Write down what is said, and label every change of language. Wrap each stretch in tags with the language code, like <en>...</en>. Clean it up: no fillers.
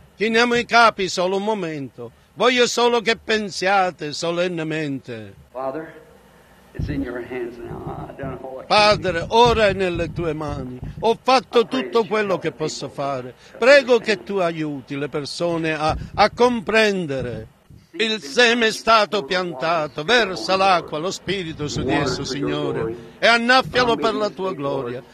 <it>Chiniamo i capi solo un momento. Voglio solo che pensiate solennemente.</it> <en>Father, it's in your hands now. I don't know what.</en> <it>Padre, ora è nelle tue mani. Ho fatto tutto quello che posso fare. Prego che tu aiuti le persone a comprendere. Il seme è stato piantato, versa l'acqua, lo Spirito su di esso, Signore, e annaffialo per la Tua gloria.</it>